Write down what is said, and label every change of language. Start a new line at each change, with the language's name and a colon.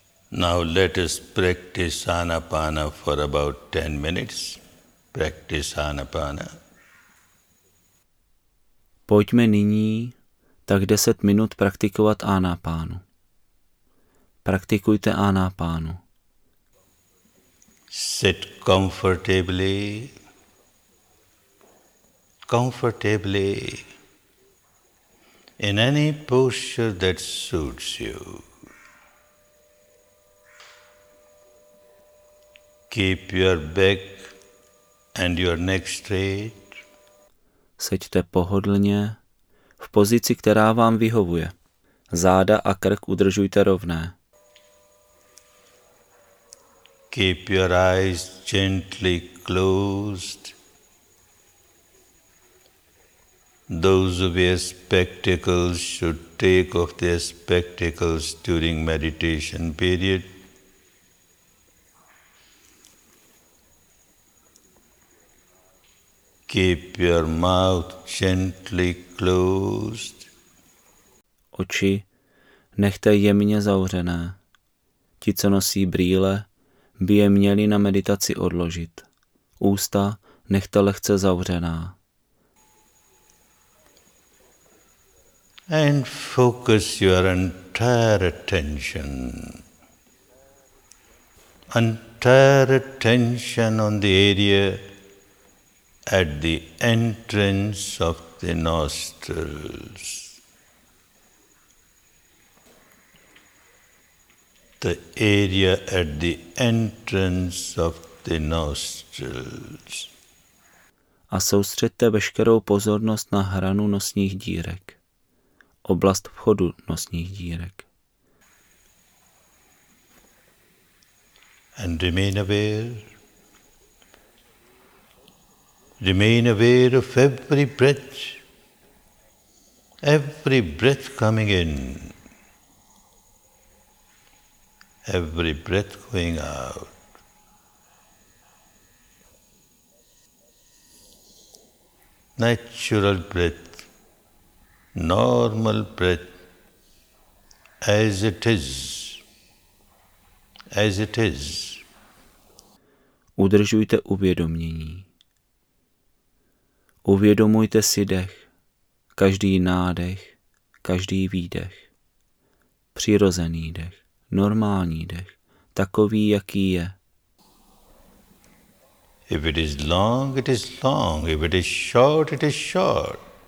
English: Now let us practice anapana for about 10 minutes. Practice anapana.
Czech: Pojďme nyní tak 10 minut praktikovat anapánu. Praktikujte anapánu.
English: Sit comfortably. Comfortably. In any posture that suits you. Keep your back and your neck straight.
Czech: Seďte pohodlně v pozici, která vám vyhovuje. Záda a krk udržujte rovné.
English: Keep your eyes gently closed. Those who wear spectacles should take off their spectacles during meditation period. Keep your mouth gently closed.
Czech: Oči nechte jemně zavřené. Ti, co nosí brýle, by je měli na meditaci odložit. Ústa nechte lehce zavřená.
English: And focus your entire attention on the area at the entrance of the nostrils. The area at the entrance of the nostrils.
Czech: A soustředte veškerou pozornost na hranu nosních dírek. Oblast vchodu nosních dírek.
English: And remain aware. Remain aware of every breath coming in, every breath going out. Natural breath, normal breath, as it is. as it is.
Czech: Udržujte uvědomění. Uvědomujte si dech, každý nádech, každý výdech. Přirozený dech, normální dech, takový, jaký je.
English: If it is long, it is long. If it is short, it is short.